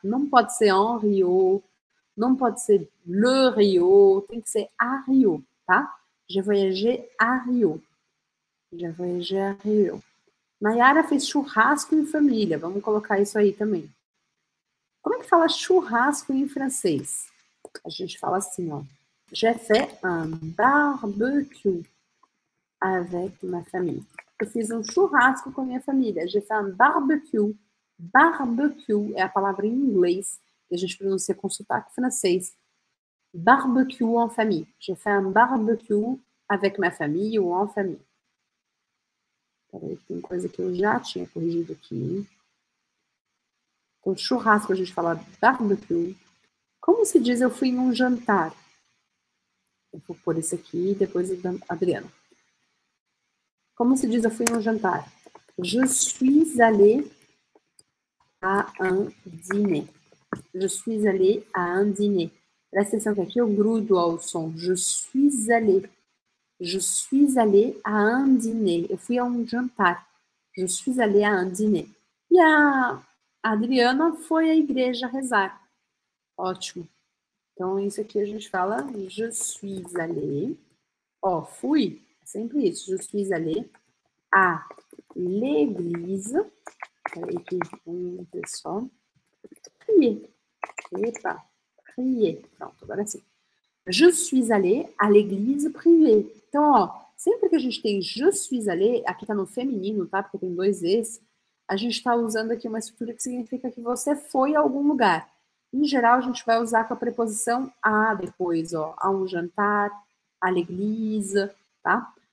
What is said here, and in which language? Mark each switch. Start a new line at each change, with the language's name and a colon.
Portuguese: Não pode ser en Rio, não pode ser le Rio, tem que ser a Rio, tá?
French: Je voyageais à Rio. Je voyageais à Rio.
Portuguese: Nayara fez churrasco em família, vamos colocar isso aí também. Como é que fala churrasco em francês? A gente fala assim, ó.
French: J'ai fait un barbecue avec ma famille.
Portuguese: Eu fiz um churrasco com a minha família.
French: J'ai fait un barbecue.
Portuguese: Barbecue é a palavra em inglês que a gente pronuncia com sotaque francês.
French: Barbecue en famille. J'ai fait un barbecue avec ma famille ou en famille.
Portuguese: Peraí, tem coisa que eu já tinha corrigido aqui, hein? Com churrasco, a gente fala barbecue. Como se diz eu fui em um jantar? Eu vou pôr esse aqui e depois o da Adriana. Como se diz eu fui em um jantar?
French: Je suis allé à un dîner. Je suis allé à un dîner.
Portuguese: Presta atenção que aqui eu grudo ao som.
French: Je suis allé. Je suis allé à un dîner.
Portuguese: Eu fui a um jantar.
French: Je suis allé à un dîner.
Portuguese: A Adriana foi à igreja rezar. Ótimo. Então, isso aqui a gente fala
French: je suis allé.
Portuguese: Ó, fui. É sempre isso.
French: Je suis allé à l'église.
Portuguese: Peraí que um pessoal. Crier. Epa.
French: Crier.
Portuguese: Pronto, agora sim.
French: Je suis allé à l'église privée.
Portuguese: Então, ó, Sempre que a gente tem je suis allé, aqui tá no feminino, tá? Porque tem dois es, a gente está usando aqui uma estrutura que significa que você foi a algum lugar. Em geral, a gente vai usar com a preposição a depois, ó, a um jantar, à église, tá?